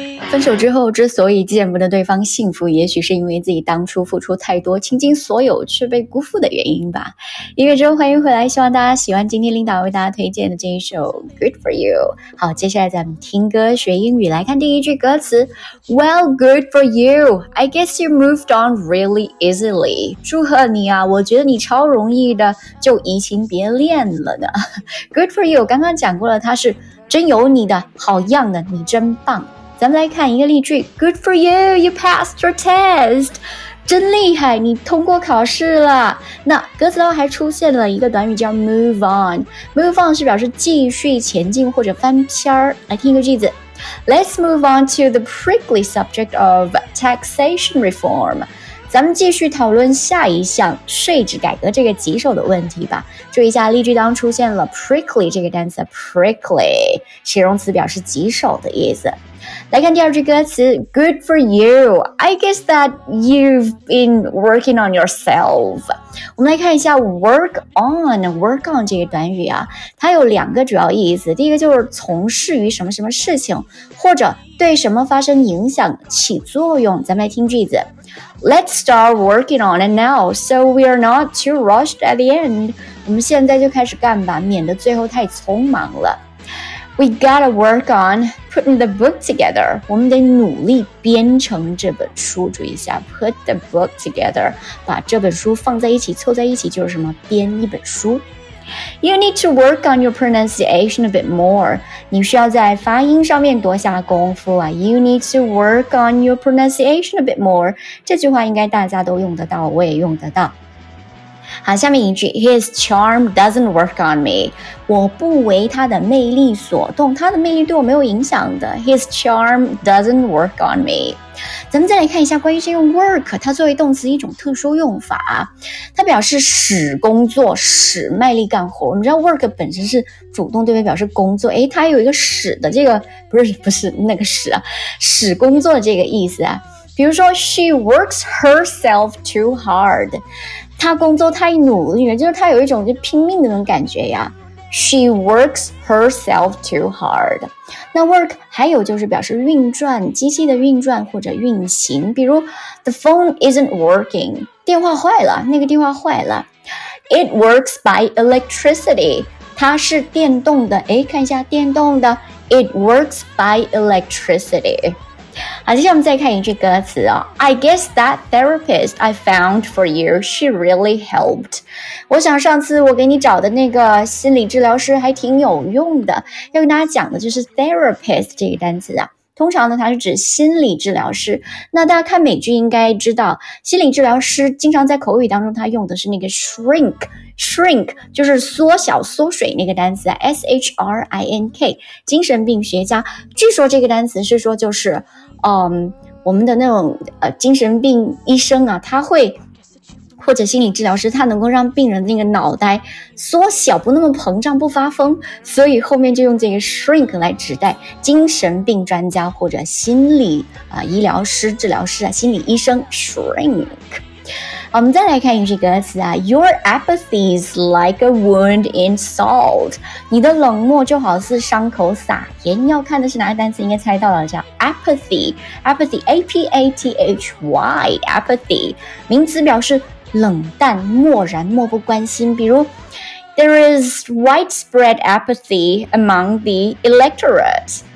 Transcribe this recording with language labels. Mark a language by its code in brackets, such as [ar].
[zh] 分手之后之所以见不得对方幸福，也许是因为自己当初付出太多，倾尽所有却被辜负的原因吧。音乐之后欢迎回来，希望大家喜欢今天Linda为大家推荐的这一首 Good For You。好，接下来咱们听歌学英语，来看第一句歌词。 [en] Well, good for you, I guess you moved on really easily. [zh] 祝贺你啊，我觉得你超容易的就移情别恋了呢。 Good For You 刚刚讲过了，它是真有你的，好样的，你真棒。咱们来看一个例句。 [en] Good for you, you passed your test. [zh] 真厉害，你通过考试了。那歌词当中还出现了一个短语叫 move on。 Move on 是表示继续前进或者翻篇。来听一个句子。 [en] Let's move on to the prickly subject of taxation reform. [zh] 咱们继续讨论下一项税制改革这个棘手的问题吧。注意一下例句当中出现了 prickly 这个单词。prickly 形容词表示棘手的意思。来看第二句歌词。 [en] Good for you, I guess that you've been working on yourself. [zh] 我们来看一下 work on, work on 这个短语啊，它有两个主要意思。第一个就是从事于什么什么事情，或者对什么发生影响起作用。咱们来听句子。 [en] Let's start working on it now, so we're not too rushed at the end. [zh] 我们现在就开始干吧，免得最后太匆忙了。 [en] We gotta work on putting the book together. [zh] 我们得努力编成这本书。注意一下 ， [en] put the book together， [zh] 把这本书放在一起，凑在一起就是什么？编一本书。 [en] You need to work on your pronunciation a bit more. [zh] 你需要在发音上面多下功夫啊。 [en] You need to work on your pronunciation a bit more. [zh] 这句话应该大家都用得到，我也用得到。好，下面一句 [en] His charm doesn't work on me. [zh] 我不为他的魅力所动，他的魅力对我没有影响的。 [en] His charm doesn't work on me. [zh] 咱们再来看一下关于这个 work， 它作为动词一种特殊用法，它表示使工作，使卖力干活。我们知道 work 本身是主动对位表示工作，诶，它有一个使的这个，不是那个使啊，使工作这个意思啊。比如说 [en] She works herself too hard， [zh] 他工作太努力了，就是他有一种就拼命的那种感觉呀。 [en] She works herself too hard. [zh] 那 work 还有就是表示运转，机器的运转或者运行。 [en] 比如 The phone isn't working. [zh] 电话坏了，那个电话坏了。 [en] It works by electricity. [zh] 它是电动的。诶，看一下电动的。 [en] It works by electricity. [zh] 好，接下来我们再看一句歌词哦。 [en] I guess that therapist I found for you, she really helped. [zh] 我想上次我给你找的那个心理治疗师还挺有用的。要跟大家讲的就是 therapist 这个单词啊。通常呢它是指心理治疗师。那大家看美剧应该知道，心理治疗师经常在口语当中他用的是那个 shrink 就是缩小缩水那个单词 ,shrink, 精神病学家。据说这个单词是说就是我们的那种精神病医生啊，他会或者心理治疗师，他能够让病人的那个脑袋缩小，不那么膨胀，不发疯，所以后面就用这个 shrink 来指代精神病专家或者心理医疗师、治疗师啊，心理医生 shrink。我们再来看一句歌词啊 [en] ，Your apathy is like a wound in salt。 [zh] 你的冷漠就好似伤口撒盐。你要看的是哪个单词？应该猜到了，叫 apathy，apathy，A-P-A-T-H-Y，apathy， 名词表示冷淡、漠然、漠不关心。 [en] 比如 ，There is widespread apathy among the electorate。